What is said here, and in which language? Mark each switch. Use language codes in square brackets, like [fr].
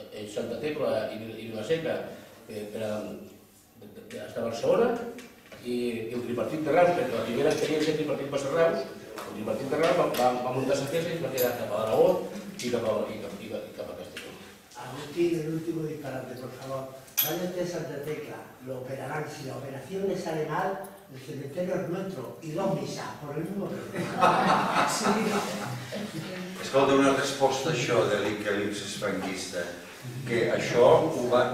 [ca] Santa Tecla i Vilaseca, que era a Barcelona, i el tripartit de Reus, perquè la primera experiència del tripartit va ser Reus, el tripartit de Reus va muntar la festa i es va quedar cap a l'Aragó i cap a Castelló. Agustí, l'últim disparate, [es] por favor. Vaya usted a Santa Tecla, lo operarán. Si la operación le sale mal, el cementerio es nuestro y dos misas por el mismo problema. [ca] Escolta, una resposta a això de dir que l'Ix és franquista, que això ho va...